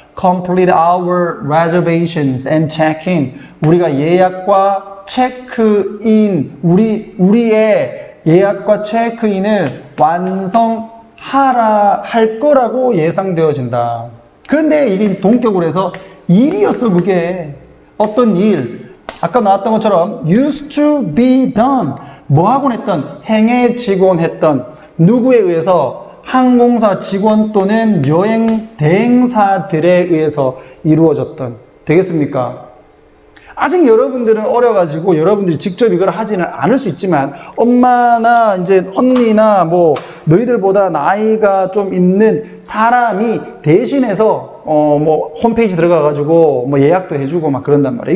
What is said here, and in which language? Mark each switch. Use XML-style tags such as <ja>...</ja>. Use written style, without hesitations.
<en>Complete our reservations and check-in.</en> <ko>우리가 예약과 체크인, 우리의 예약과 체크인을 완성하라 할 거라고 예상되어진다. 근데 이게 동격으로 해서 일이었어. 그게 어떤 일? 아까 나왔던 것처럼</ko> <en>used to be done.</en> <ko>뭐하곤 했던? 행해지곤 했던. 누구에 의해서? 항공사 직원 또는 여행 대행사들에 의해서 이루어졌던. 되겠습니까? 아직 여러분들은 어려가지고 여러분들이 직접 이걸 하지는 않을 수 있지만 엄마나 이제 언니나 뭐 너희들보다 나이가 좀 있는 사람이 대신해서 뭐 홈페이지 들어가가지고 뭐 예약도 해주고 막 그런단 말이에요.</ko>